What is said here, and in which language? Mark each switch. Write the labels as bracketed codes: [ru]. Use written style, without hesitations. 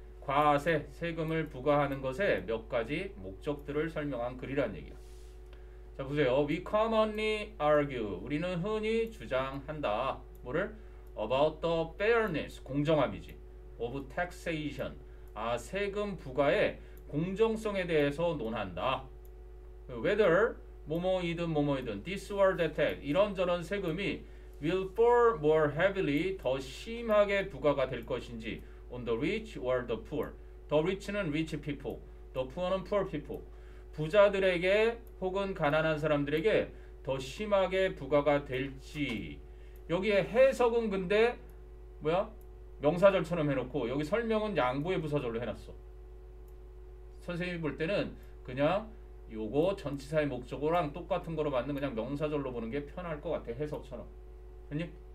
[ko] 과세, 세금을 부과하는 것에 몇 가지 목적들을 설명한 글이란 얘기야. 자 보세요. [en] We commonly argue. [ko] 우리는 흔히 주장한다. 뭐를? [en] About the fairness. [ko] 공정함이지. [en] Of taxation. [ko] 아 세금 부과의 공정성에 대해서 논한다. [en] Whether [ko] 뭐뭐이든 뭐뭐이든 [en] this or that [ko] 이런저런 세금이 [en] will fall more heavily [ko] 더 심하게 부과가 될 것인지 [en] on the rich or the poor. The rich는 rich people. The poor는 poor people. [ko] 부자들에게 혹은 가난한 사람들에게 더 심하게 부과가 될지. 여기에 해석은 근데 뭐야? 명사절처럼 해놓고 여기 설명은 양보의 부사절로 해놨어. 선생님이 볼 때는 그냥 요거 전치사의 목적어랑 똑같은 거로 만든 그냥 명사절로 보는 게 편할 것 같아. 해석처럼. 아니?